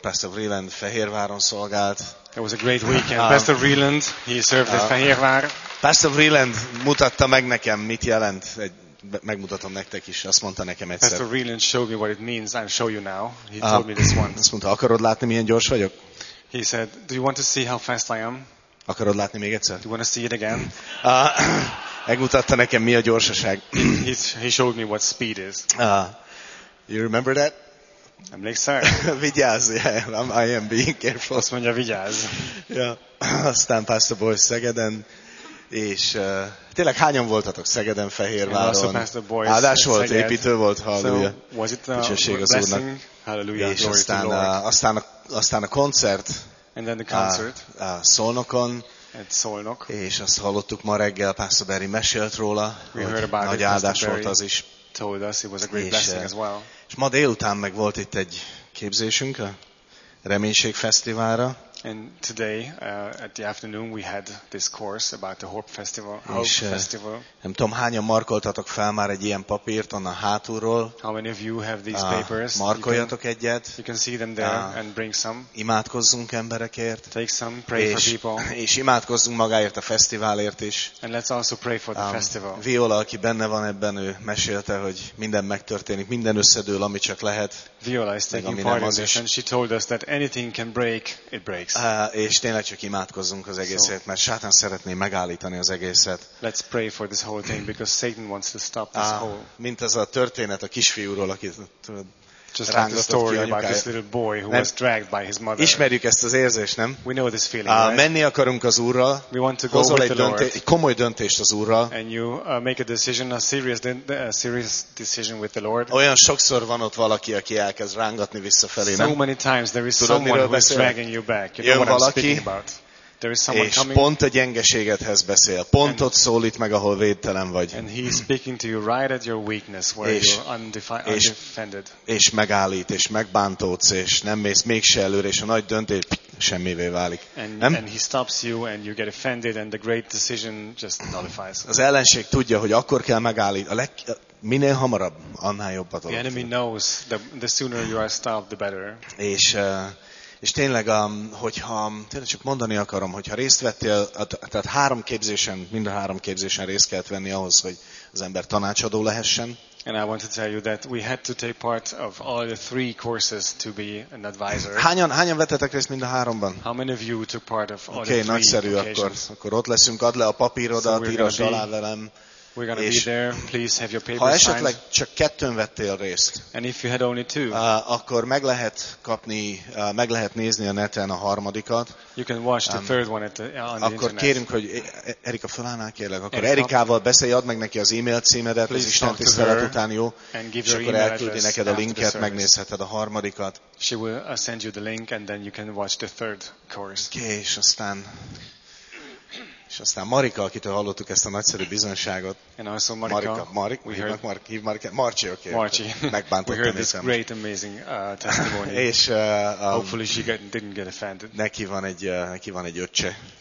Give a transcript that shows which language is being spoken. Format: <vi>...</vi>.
<hu>Pastor Vreeland Fehérváron szolgált.</hu> <en>It was a great weekend. Pastor Vreeland, he served at Fehérvár.</en> <hu>Pastor Vreeland mutatta meg nekem, mit jelent egy megmutatom nektek is, azt mondta nekem egyszer.</hu> <en>Pastor Vreeland showed me what it means. I'll show you now. He told me this once.</en> <hu>Azt mondta, akarod látni, milyen gyors vagyok?</hu> <en>He said, do you want to see how fast I am?</en> <hu>Akarod látni még egyszer?</hu> <en>Do you want to see it again?</en> <hu>Megmutatta nekem, mi a gyorsaság.</hu> <en>He showed me what speed is. You remember that? I'm like, sir.</en> <hu>Vigyázz,</hu> <en>I am being careful.</en> <hu>Azt mondja, vigyázz.</hu> <en>Yeah.</en> <hu>Aztán Pastor Boy Szegeden, és tényleg hányan voltatok Szegeden, Fehérváron? Áldás volt, Szeged. Építő volt, halleluja.</hu> <en>So, was it a blessing? Halleluja,</en> <hu>és aztán a koncert.</hu> <en>And then the concert.</en> <hu>Szolnokon.</hu> <en>At Szolnok.</en> <hu>És azt hallottuk ma reggel, Pastor Barry mesélt róla, nagy áldás volt az is.</hu> <en>Told us it was a great blessing as well.</en> <hu>És ma délután meg volt itt egy képzésünk a Reménység Fesztiválra.</hu> <en>And today at the afternoon we had this course about the Hope Festival.</en> <hu>Nem tudom, hányan markoltatok fel már egy ilyen papírt onnan hátulról.</hu> <en>How many of you have these papers?</en> <hu>Markoljatok egyet.</hu> <en>You can see them there and bring some.</en> <hu>Imádkozzunk emberekért.</hu> <en>Take some, pray for people.</en> <hu>És imádkozzunk magáért a fesztiválért is.</hu> <en>And let's also pray for the festival.</en> <hu>Viola, aki benne van ebben, ő mesélte, hogy minden megtörténik, minden összedől, ami csak lehet.</hu> <en>Viola is taking part in this and she told us that anything can break, it breaks.</en> <hu>És tényleg csak imádkozzunk az egészet, mert Sátán szeretné megállítani az egészet.</hu> <en>Let's pray for this whole thing because Satan wants to stop this whole.</en> <hu>Mint az a történet a kisfiúról, akit rángatott ki anyukája.</hu> <en>This little boy who was dragged by his mother.</en> <hu>Ismerjük ezt az érzést, nem?</hu> <en>We know this feeling, right?</en> <hu>Menni akarunk az Úrral.</hu> <en>We want to go with the Lord.</en> <hu>Egy komoly döntést az Úrral.</hu> <en>And you make a decision, a serious decision with the Lord.</en> <hu>Olyan sokszor van ott valaki, aki elkezd rángatni visszafelé, nem?</hu> <en>So many times there is someone who is dragging you back. You know what I'm speaking about. There is someone coming.</en> <hu>És pont a gyengeségedhez beszél. Pont ott szólít meg, ahol védtelen vagy.</hu> <en>And he is speaking to you right at your weakness where you're undefended.</en> <hu>És megállít, és megbántódsz, és nem mész mégse előre, és a nagy döntés semmivé válik.</hu> <en>And he stops you and you get offended and the great decision just nullifies.</en> <hu>Az ellenség tudja, hogy akkor kell megállít. Minél hamarabb, annál jobbat.</hu> <en>The enemy knows the sooner you are stopped the better.</en> <hu>És tényleg, hogyha tényleg csak mondani akarom, hogyha részt vettél, tehát három képzésen, mind a három képzésen részt kellett venni ahhoz, hogy az ember tanácsadó lehessen.</hu> <en>And I want to tell you that we had to take part of all the three courses to be an advisor.</en> <hu>Hányan vettetek részt mind a háromban?</hu> <en>How many of you took part of all the three?</en> <hu>Okay, nagyszerű, akkor ott leszünk, add le a papírodat, írasd alá velem.</hu> <en>We're gonna be there. Please have your papers signed.</en> <hu>Ha esetleg csak kettőn vettél részt,</hu> <en>and if you had only two,</en> <hu>akkor meg lehet kapni, meg lehet nézni a neten a harmadikat.</hu> <en>You can watch the third one on the internet.</en> <hu>Akkor kérünk, hogy Erika fölállnál, kérlek. Akkor Erikával beszélj, add meg neki az e-mail címedet, az Isten tisztelet után, jó? És akkor elküldi neked a linket, megnézheted a harmadikat.</hu> <en>She will send you the link, and then you can watch the third course.</en> <hu>Okay, és aztán. És aztán Marika, akitől hallottuk ezt a nagyszerű bizonyságot.</hu> <en>And also Marci.</en> <hu>Megbántottam.</hu> <en>We heard this great, amazing testimony.</en> <hu>És</hu> <en>hopefully she didn't get offended.</en> <hu>Neki van egy öccse.</hu>